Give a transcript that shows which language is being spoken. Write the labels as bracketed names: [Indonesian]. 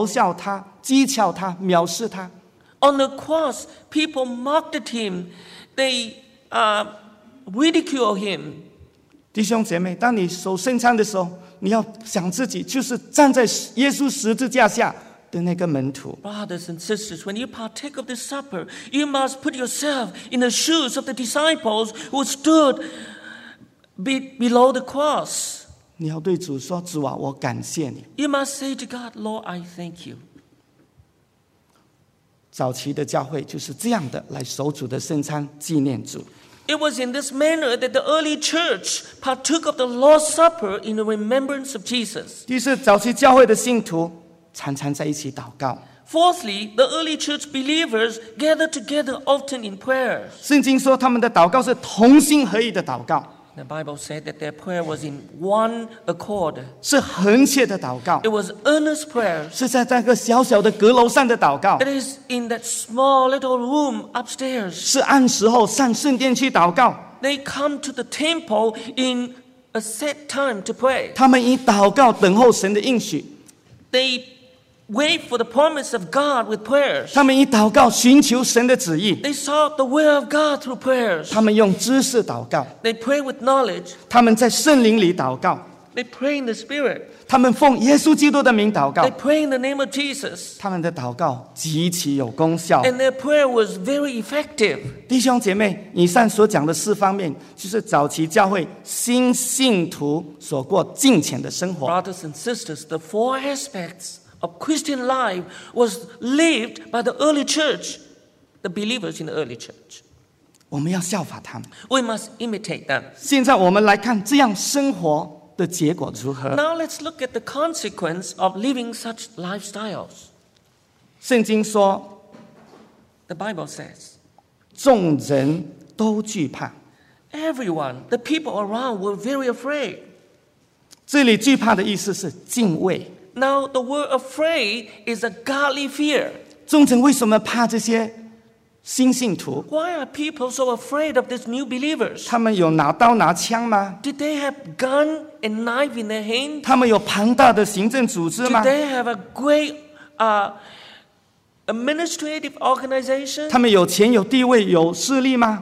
[Chinese] 在十字架上，人们还嘲笑他，讥诮他，藐视他。 [English] On the cross, people mocked him. They ridiculed him. [Chinese] 弟兄姐妹，当你守圣餐的时候， 你要想自己就是站在耶稣十字架下的那个门徒。 [English] Brothers and sisters, when you partake of the supper, you must put yourself in the shoes of the disciples who stood below the cross. [Chinese] 你要对主说，主啊， 我感谢你。 [English] You must say to God, Lord, I thank you. [Chinese] 早期的教会就是这样的来守主的圣餐纪念主。 [English] It was in this manner that the early church partook of the Lord's Supper in the remembrance of Jesus. [Chinese] 第一次，早期教会的信徒常常在一起祷告。 [English] Fourthly, the early church believers gathered together often in prayer. [Chinese] 圣经说他们的祷告是同心合意的祷告。 [English] The Bible said that their prayer was in one accord. [Chinese] 是恒切的祷告。 [English] It was earnest prayer. [Chinese] 是在那个小小的阁楼上的祷告。 [English] It is in that small little room upstairs. [Chinese] 是按时候上圣殿去祷告。 [English] They come to the temple in a set time to pray. [Chinese] 他们以祷告等候神的应许。 [English] They wait for the promise of God with prayers. [Chinese] 他们以祷告寻求神的旨意。 [English] They sought the will of God through prayers. [Chinese] 他们用知识祷告。 [English] They pray with knowledge. [Chinese] 他们在圣灵里祷告。 [English] They pray in the Spirit. [Chinese] 他们奉耶稣基督的名祷告。 [English] They pray in the name of Jesus. [Chinese] 他们的祷告极其有功效。 [English] And their prayer was very effective. [Chinese] 弟兄姐妹，以上所讲的四方面， 就是早期教会新信徒所过敬虔的生活。 [English] Brothers and sisters, the four aspects of Christian life was lived by the early church, the believers in the early church. We must imitate them. [Chinese] 现在我们来看这样生活的结果如何。 [English] Now let's look at the consequence of living such lifestyles. [Chinese] 圣经说, [English] the Bible says, [Chinese] 众人都惧怕。 [English] Everyone, the people around were very afraid. [Chinese] 这里惧怕的意思是敬畏。 [English] Now, the word afraid is a godly fear. [Chinese] 众人为什么怕这些新信徒? [English] Why are people so afraid of these new believers? [Chinese] 他们有拿刀拿枪吗? [English] Did they have gun and knife in their hand? [Chinese] 他们有庞大的行政组织吗? [English] Did they have a great administrative organization? [Chinese] 他们有钱有地位有势力吗?